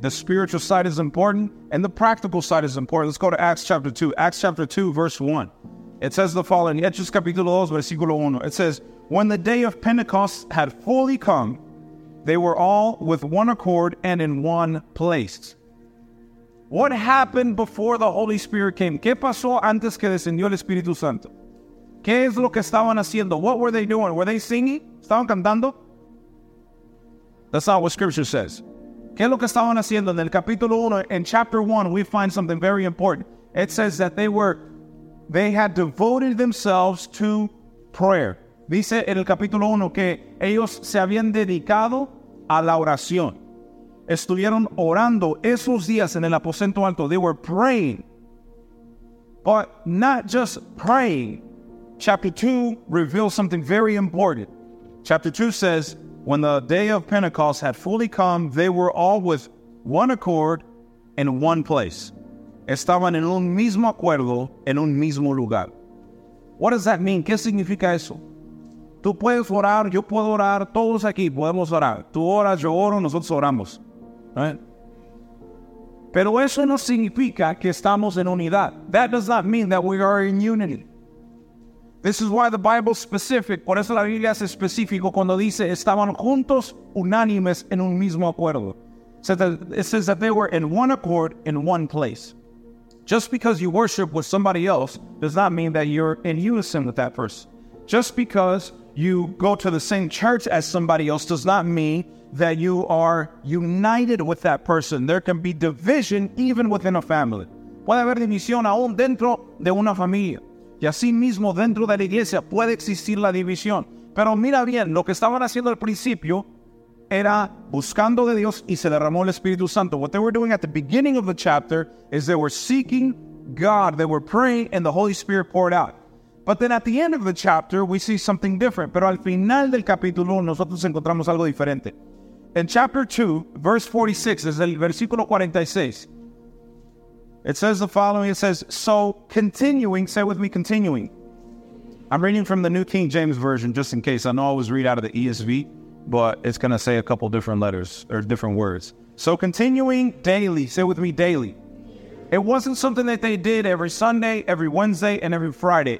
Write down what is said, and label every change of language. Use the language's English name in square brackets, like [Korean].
[English] The spiritual side is important and the practical side is important. Let's go to Acts chapter 2. Acts chapter 2, verse 1. It says the following. [Spanish] Hechos capítulo 2, versículo 1. [English] It says, when the day of Pentecost had fully come, they were all with one accord and in one place. What happened before the Holy Spirit came? [Spanish] ¿Qué pasó antes que descendió el Espíritu Santo? ¿Qué es lo que estaban haciendo? [English] What were they doing? Were they singing? [Spanish] ¿Estaban cantando? [English] That's not what scripture says. [Spanish] ¿Qué es lo que estaban haciendo? En el capítulo 1, [English] in chapter 1, we find something very important. It says that they had devoted themselves to prayer. [Spanish] Dice en el capítulo 1 que ellos se habían dedicado a la oración. Estuvieron orando esos días en el aposento alto. [English] They were praying. But not just praying. Chapter 2 reveals something very important. Chapter 2 says, when the day of Pentecost had fully come, they were all with one accord in one place. [Spanish] Estaban en un mismo acuerdo, en un mismo lugar. [English] What does that mean? [Spanish] ¿Qué significa eso? Tú puedes orar, yo puedo orar, todos aquí podemos orar. Tú oras, yo oro, nosotros oramos. [English] Right? [Spanish] Pero eso no significa que estamos en unidad. [English] That does not mean that we are in unity. This is why the Bible is specific. [Spanish] Por eso la Biblia es específico cuando dice estaban juntos unánimes en un mismo acuerdo. [English] It says that they were in one accord in one place. Just because you worship with somebody else does not mean that you're in unison with that person. Just because you go to the same church as somebody else does not mean that you are united with that person. There can be division even within a family. [Spanish] Puede haber división aún dentro de una familia. Y así mismo dentro de la iglesia puede existir la división. Pero mira bien, lo que estaban haciendo al principio era buscando de Dios y se derramó el Espíritu Santo. [English] What they were doing at the beginning of the chapter is they were seeking God. They were praying and the Holy Spirit poured out. But then at the end of the chapter, we see something different. [Spanish] Pero al final del capítulo, nosotros encontramos algo diferente. [English] In chapter 2, verse 46, [Spanish] es el versículo 46. [English] It says the following, it says, so continuing, say with me, continuing. I'm reading from the New King James Version, just in case. I know I always read out of the ESV, but it's going to say a couple different letters or different words. So continuing daily, say with me, daily. It wasn't something that they did every Sunday, every Wednesday, and every Friday.